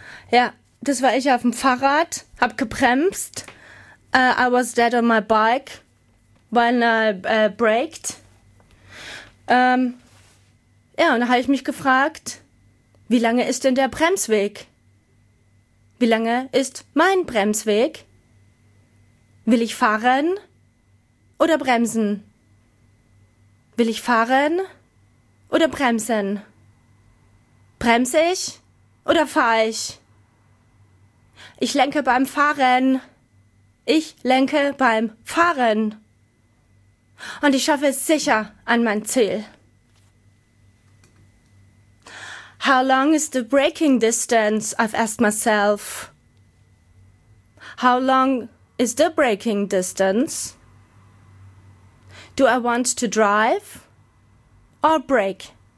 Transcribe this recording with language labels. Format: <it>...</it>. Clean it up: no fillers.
<de>Ja, das war ich auf dem Fahrrad, hab gebremst.</de> <en>I was dead on my bike, when I braked.</en> <de>Ja, und da habe ich mich gefragt, wie lange ist denn der Bremsweg? Wie lange ist mein Bremsweg? Will ich fahren oder bremsen? Will ich fahren oder bremsen? Bremse ich oder fahre ich? Ich lenke beim Fahren. Ich lenke beim Fahren. Und ich schaffe es sicher an mein Ziel.</de> <en>How long is the braking distance? I've asked myself. How long is the braking distance? Do I want to drive or brake?</en>